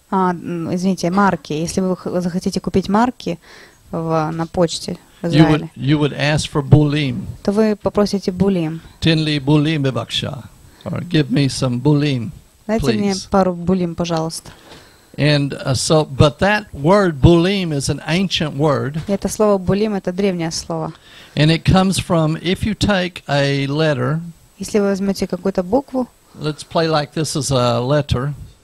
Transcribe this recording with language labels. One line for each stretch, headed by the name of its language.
Russian: Извините, марки. Если вы захотите купить марки на почте.
English: You would ask for bulim.
Russian: То вы попросите булим.
Hebrew: Тин ли булим бивакша.
English: Or give me some bulim, please.
Russian: Дайте мне пару булим, пожалуйста.
English: And so, but that word bulim is an ancient word.
Russian: Это слово булим — это древнее слово.
English: And it comes from, if you take a letter.
Russian: Если вы возьмете какую-то букву.
English: Let's play like this is a letter.